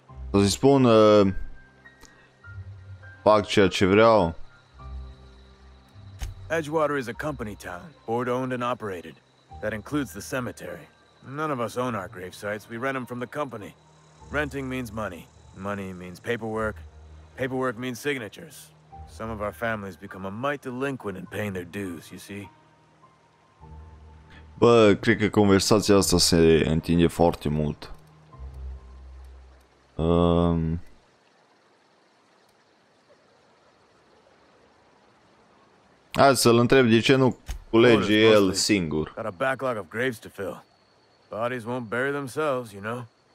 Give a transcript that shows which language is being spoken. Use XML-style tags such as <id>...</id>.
<ro>O să-i spun, fac ceea ce vreau.</ro> <en>Edgewater is a company town, board owned and operated. That includes the cemetery. None of us own our grave sites, we rent them from the company. Renting means money. Money means paperwork. Paperwork means signatures. Some of our families become a mite delinquent in paying their dues, you see?</en> <ro>Bă, cred că conversația asta se întinde foarte mult. Hai să-l întreb de ce nu culege el singur.</ro> <en>Got a backlog of graves to fill. Bodies won't bury themselves, you know?</en>